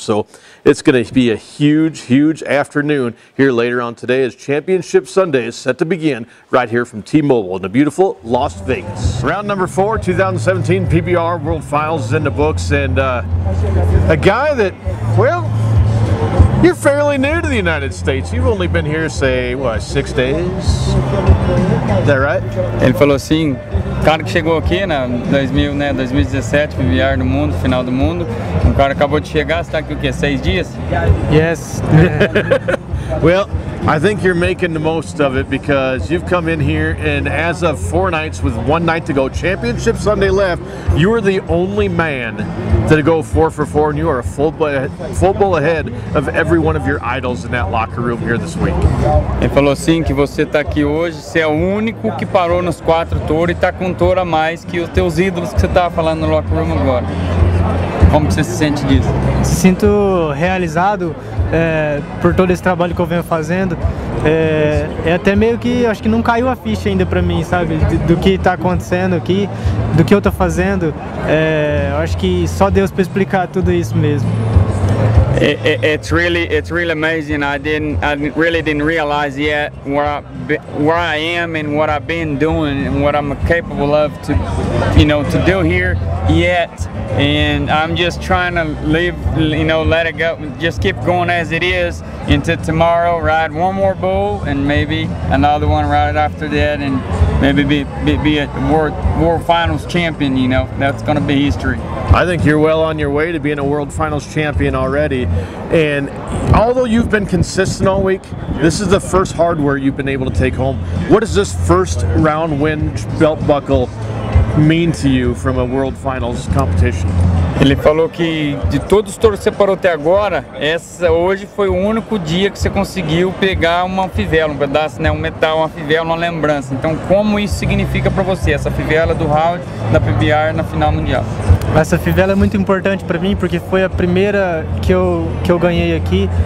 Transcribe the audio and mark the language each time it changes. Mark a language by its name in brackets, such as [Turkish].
[English] So it's going to be a huge, huge afternoon here later on today as Championship Sunday is set to begin right here from T-Mobile in the beautiful Las Vegas. Round number four, 2017 PBR World Finals is in the books. And a guy that, well, you're fairly new to the United States. You've only been here, say, what, 6 days? Is that right? [Portuguese] Ele falou assim, cara que chegou aqui, né, 2017, PBR no mundo, final do mundo. O cara acabou de chegar, está aqui o quê, 6 dias? [English] Yes. Well, I think you're making the most of it because you've come in here and as of 4 nights with 1 night to go, Championship Sunday left, you are the only man to go 4 for 4 and you are a full bull ahead of every one of your idols in that locker room here this week. [Portuguese] Ele falou assim que você está aqui hoje, você é o único que parou nos 4 touros e está com 1 touro a mais que os teus ídolos que você estava falando no locker room agora. Como você se sente disso? Sinto realizado por todo esse trabalho que eu venho fazendo. É até meio que, acho que não caiu a ficha ainda para mim, sabe? Do que está acontecendo aqui, do que eu estou fazendo. Acho que só Deus para explicar tudo isso mesmo. [English] It's really amazing. I really didn't realize yet where I am and what I've been doing and what I'm capable of to, you know, to do here yet. And I'm just trying to live, you know, let it go, just keep going as it is into tomorrow. Ride one more bull and maybe another one right after that, and maybe be a world finals champion. You know, that's gonna be history. I think you're well on your way to being a world finals champion already. And although you've been consistent all week, this is the first hardware you've been able to take home. What does this first round win belt buckle mean to you from a world finals competition? [Portuguese] Ele falou que de todos os touros que você parou até agora, essa hoje foi o único dia que você conseguiu pegar uma fivela, um pedaço, né, um metal, uma fivela, uma lembrança. Então, como isso significa para você, essa fivela do round da PBR na final mundial? Essa fivela é muito importante para mim, porque foi a primeira que eu ganhei aqui.